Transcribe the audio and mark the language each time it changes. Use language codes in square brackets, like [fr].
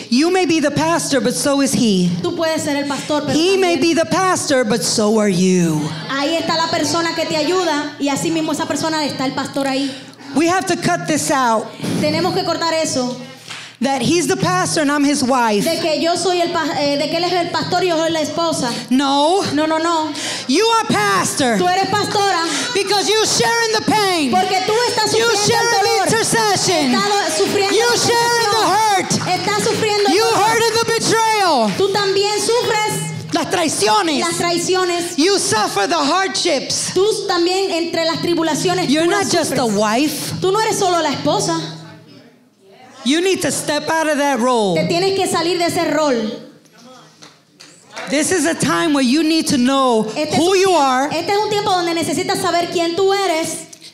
[en] you may be the pastor, but so is he. [es] Tú puedes ser el pastor, pero [en] he [es] también, [en] may be the pastor, but so are you. [es] Ahí está la persona que te ayuda, y así mismo esa persona está el pastor ahí. [en] We have to cut this out. [es] Tenemos que cortar eso. [en] That he's the pastor and I'm his wife. [es] De que yo soy el de que él es el pastor y yo soy la esposa. [en] No. No, no, no. You are pastor. [es] Tú eres pastora. [en] Because you share in the pain. [es] Porque tú estás sufriendo el dolor. [en] You share in the intercession. [es] Estás sufriendo. [en] You share in the hurt. [es] Estás sufriendo. [en] You hurt in the betrayal. [es] Tú también sufres. Las traiciones. Las traiciones. [en] You suffer the hardships. [es] Tú también entre las tribulaciones. [en] You're not just a wife. [es] Tú no eres solo la esposa. [en] You need to step out of that role. [es] Te tienes que salir de ese rol. [en] This is a time where you need to know [es] este [en] who [es] es un, [en] you are. [es] Este es un tiempo donde necesitas saber quién tú eres.